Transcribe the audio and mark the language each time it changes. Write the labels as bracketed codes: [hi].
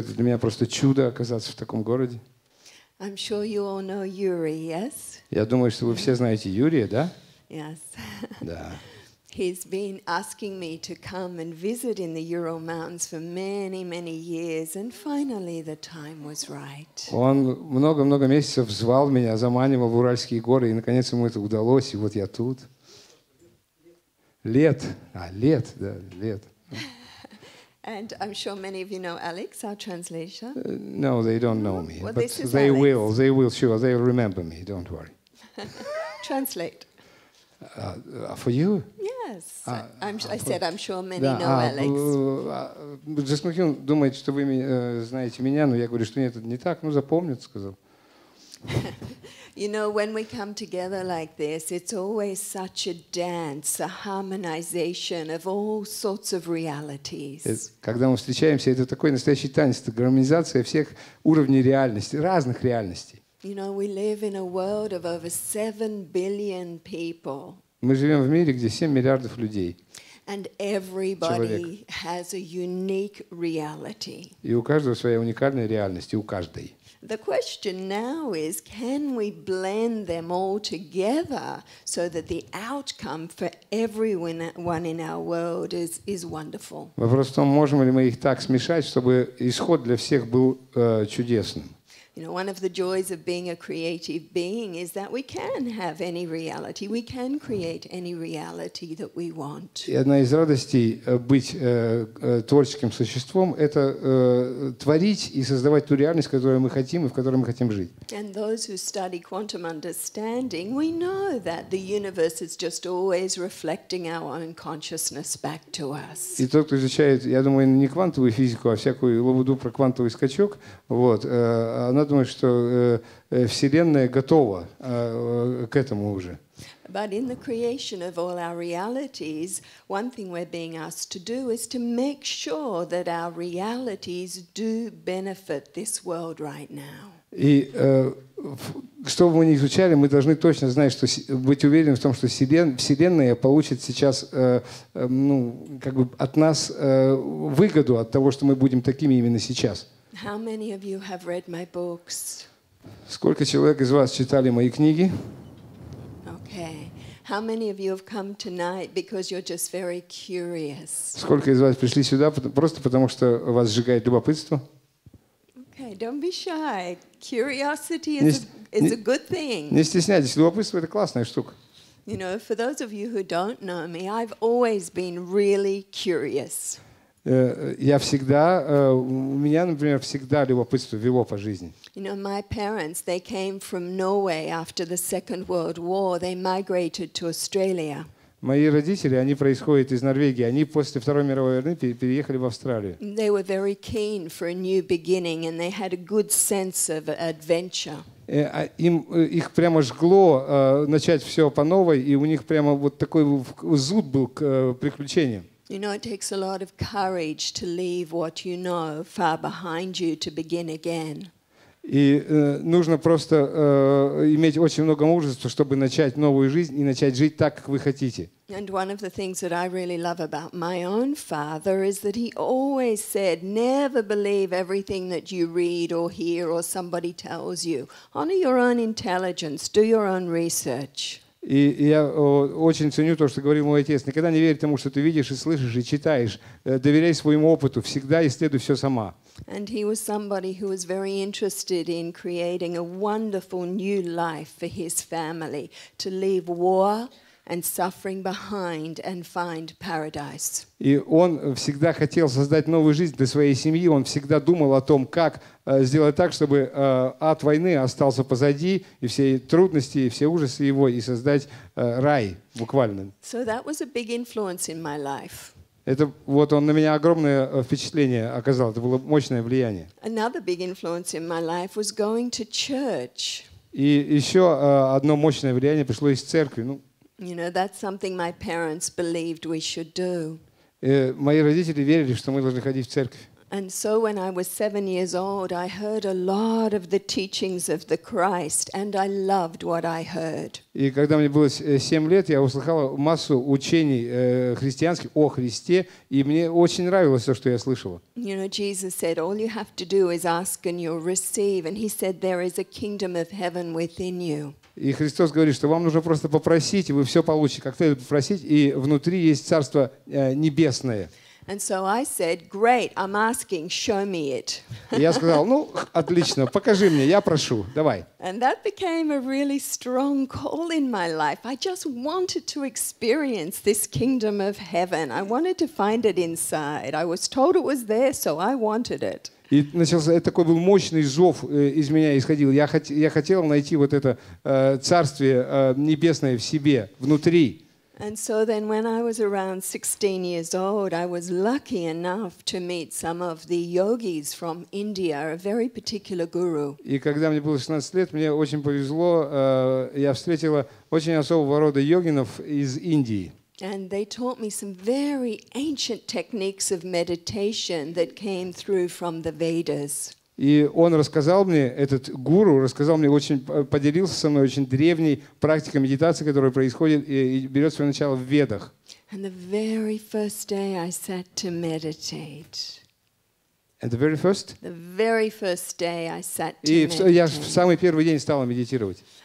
[ru] Это для меня просто чудо оказаться в таком городе. [en] I'm sure you all know Yuri, yes? [ru] Я думаю, что вы все знаете Юрия, да? [en] Yes. [ru] Да. [en] He's been asking me to come and visit in the Ural Mountains for many, many years, and finally the time was right. [ru] Он много-много месяцев звал меня, заманивал в Уральские горы, и наконец ему это удалось, и вот я тут. Лет. [en] And I'm sure many of you know Alex, our translator. No, they don't know me. Well, but this is they Alex. Will. They will. Sure, they will remember me. Don't worry. Translate. For you? Yes. I said I'm sure many know Alex. [ru] Джасмухин думает, что вы знаете меня, но я говорю, что нет, это не так. Ну, запомнят, сказал. [en] You know, when we come together like this, it's always such a dance, a harmonization of all sorts of realities. [ru] Когда мы встречаемся, это такой настоящий танец, это гармонизация всех уровней реальности, разных реальностей. [en] You know, we live in a world of over 7 billion people. [ru] Мы живем в мире, где 7 миллиардов людей. [en] And everybody has a unique reality. [ru] И у каждого своя уникальная реальность, у каждой. [en] The question now is, can we blend them all together so that the outcome for everyone in our world is wonderful? [ru] Вопрос в том, можем ли мы их так смешать, чтобы исход для всех был чудесным? [en] You know, one of the joys of being a creative being is that we can have any reality. We can create any reality that we want. [ru] И одна из радостей быть творческим существом — это творить и создавать ту реальность, которую мы хотим и в которой мы хотим жить. [en] And those who study quantum understanding, we know that the universe is just always reflecting our own consciousness back to us. [ru] И тот, кто изучает, я думаю, не квантовую физику, а всякую лабуду про квантовый скачок, вот, она думает, что Вселенная готова к этому уже. [en] But in the creation of all our realities, one thing we're being asked to do is to make sure that our realities do benefit this world right now. [ru] И что бы мы ни изучали, мы должны точно знать, что быть уверены в том, что Вселенная получит сейчас от нас выгоду от того, что мы будем такими именно сейчас. [en] How many of you have read my books? [ru] Сколько человек из вас читали мои книги? [en] Okay. How many of you have come tonight because you're just very curious? [ru] Сколько из вас пришли сюда просто потому что вас сжигает любопытство? [en] Okay, don't be shy. Curiosity is a good thing. [ru] Не стесняйтесь, любопытство это классная штука. [en] You know, for those of you who don't know me, I've always been really curious. [ru] Я всегда, у меня, например, всегда любопытство вело по жизни. [en] You know, my parents, they came from Norway after the Second World War. They migrated to Australia. [ru] Мои родители, они происходят из Норвегии. Они после Второй мировой войны переехали в Австралию. [en] They were very keen for a new beginning, and they had a good sense of adventure. [ru] Их прямо жгло начать все по новой, и у них прямо вот такой зуд был к приключениям. [en] You know, it takes a lot of courage to leave what you know far behind you to begin again. [ru] И нужно просто иметь очень много мужества, чтобы начать новую жизнь и начать жить так, как вы хотите. [en] And one of the things that I really love about my own father is that he always said, never believe everything that you read or hear or somebody tells you. Honor your own intelligence, do your own research. [ru] И я очень ценю то, что говорил мой отец. Никогда не верь тому, что ты видишь и слышишь и читаешь. Доверяй своему опыту. Всегда исследуй все сама. [en] And he was somebody who was very interested in creating a wonderful new life for his family, to leave war and suffering behind and find paradise. [ru] И он всегда хотел создать новую жизнь для своей семьи. Он всегда думал о том, как сделать так, чтобы ад войны остался позади, и все трудности, и все ужасы его, и создать рай, буквально. [en] So that was a big influence in my life. [ru] Это вот он на меня огромное впечатление оказал. Это было мощное влияние. [en] Another big influence in my life was going to church. [ru] И еще одно мощное влияние пришло из церкви. Ну, [en] you know, that's something my parents believed we should do. [ru] Мои родители верили, что мы должны ходить в церковь. [en] And so when I was 7 years old, I heard a lot of the teachings of the Christ, and I loved what I heard. [ru] И когда мне было 7 лет, я услыхала массу учений христианских о Христе, и мне очень нравилось то, что я слышала. [en] You know, Jesus said, all you have to do is ask and you'll receive. And he said, there is a kingdom of heaven within you. [ru] И Христос говорит, что вам нужно просто попросить, и вы все получите. Как следует попросить, и внутри есть Царство Небесное. [en] And so I said, great, I'm asking, show me it. [ru] Я сказал, ну, отлично, покажи мне, я прошу, давай. [en] And that became a really strong call in my life. I just wanted to experience this kingdom of heaven. I wanted to find it inside. I was told it was there, so I wanted it. [ru] И начался такой был мощный зов из меня исходил. Я хотел найти вот это царствие небесное в себе, внутри. [en] And so then when I was around 16 years old, I was lucky enough to meet some of the yogis from India, a very particular guru. [ru] И когда мне было 16 лет, мне очень повезло, я встретила очень особого рода йогинов из Индии. [en] And they taught me some very ancient techniques of meditation that came through from the Vedas. [ru] И он рассказал мне, этот гуру рассказал мне очень, поделился со мной очень древней практикой медитации, которая происходит и берет свое начало в Ведах. [en] And the very first day I sat to meditate. And the very first? The very first day I sat to [ru] и [en] meditate. [ru] Я в самый первый день стала медитировать.